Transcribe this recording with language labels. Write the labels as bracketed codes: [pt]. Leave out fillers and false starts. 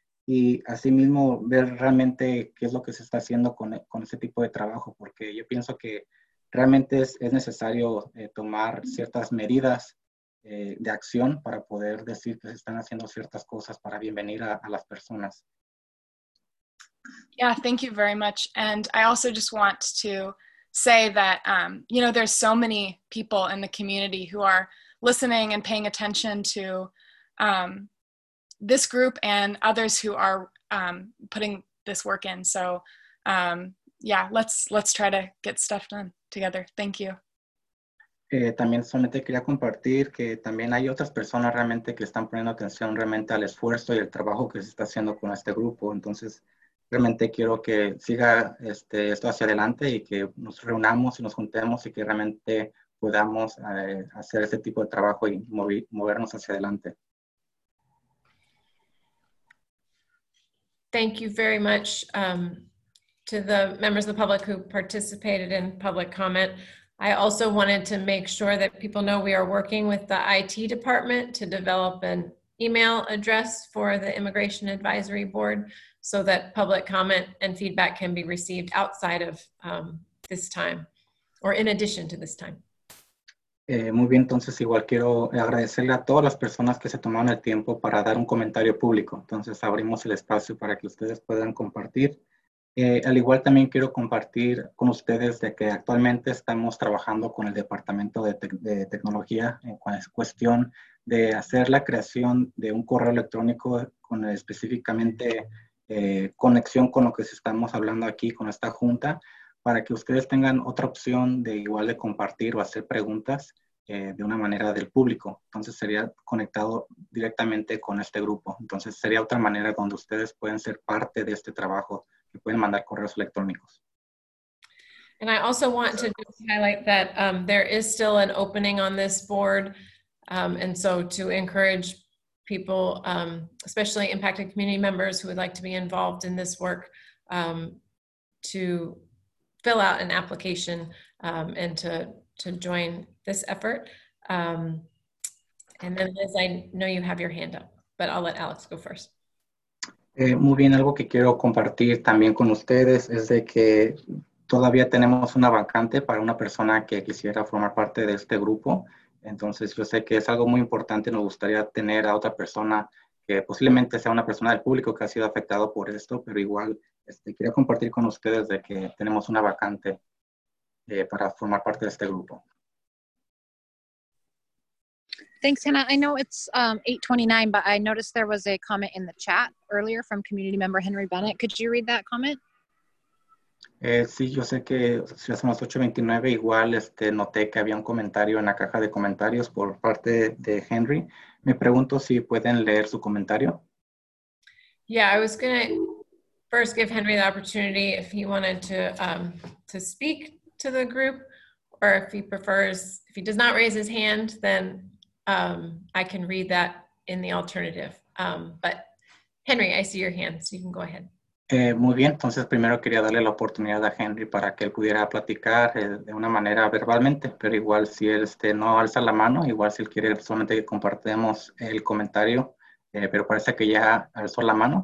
[es] Y asimismo ver realmente qué es lo que se está haciendo con ese tipo de trabajo, porque yo pienso que realmente es necesario tomar ciertas medidas de acción para poder decir que se están haciendo ciertas cosas para bienvenir a las personas. [en] Yeah, thank you very much. And I also just want to say that, you know, there's so many people in the community who are listening and paying attention to this group and others who are putting this work in. So yeah, let's try to get stuff done together. Thank you. [es] También solamente quería compartir que también hay otras personas realmente que están poniendo atención realmente al esfuerzo y el trabajo que se está haciendo con este grupo. Entonces, realmente quiero que siga esto hacia adelante y que nos reunamos y nos juntemos y que realmente podamos hacer este tipo de trabajo y movernos hacia adelante. [en] Thank you very much to the members of the public who participated in public comment. I also wanted to make sure that people know we are working with the IT department to develop an email address for the Immigration Advisory Board so that public comment and feedback can be received outside of this time or in addition to this time. [es] Muy bien, entonces igual quiero agradecerle a todas las personas que se tomaron el tiempo para dar un comentario público. Entonces abrimos el espacio para que ustedes puedan compartir. Al igual también quiero compartir con ustedes de que actualmente estamos trabajando con el Departamento de Tecnología en cuestión de hacer la creación de un correo electrónico con específicamente conexión con lo que estamos hablando aquí con esta junta para que ustedes tengan otra opción de igual de compartir o hacer preguntas de una manera del público. Entonces sería conectado directamente con este grupo. Entonces sería otra manera donde ustedes pueden ser parte de este trabajo. Pueden mandar correos electrónicos. [en] And I also want to just highlight that there is still an opening on this board. And so to encourage people, especially impacted community members who would like to be involved in this work, to fill out an application and to join this effort. And then Liz, I know you have your hand up, but I'll let Alex go first. [es] Muy bien, algo que quiero compartir también con ustedes es de que todavía tenemos una vacante para una persona que quisiera formar parte de este grupo. Entonces, yo sé que es algo muy importante, nos gustaría tener a otra persona que posiblemente sea una persona del público que ha sido afectado por esto, pero igual quería compartir con ustedes de que tenemos una vacante para formar parte de este grupo. [en] Thanks, Hannah. I know it's 8:29, but I noticed there was a comment in the chat earlier from community member Henry Bennett. Could you read that comment? [es] Sí, yo sé que si hacemos 8:29, igual noté que había un comentario en la caja de comentarios por parte de Henry. Me pregunto si pueden leer su comentario. [en] Yeah, I was going to first give Henry the opportunity if he wanted to speak to the group, or if he prefers, if he does not raise his hand, then I can read that in the alternative. But Henry, I see your hand, so you can go ahead. [es] Muy bien, entonces primero quería darle la oportunidad a Henry para que él pudiera platicar de una manera verbalmente, pero igual si él no alza la mano, igual si él quiere solamente que compartamos el comentario, pero parece que ya alzó la mano.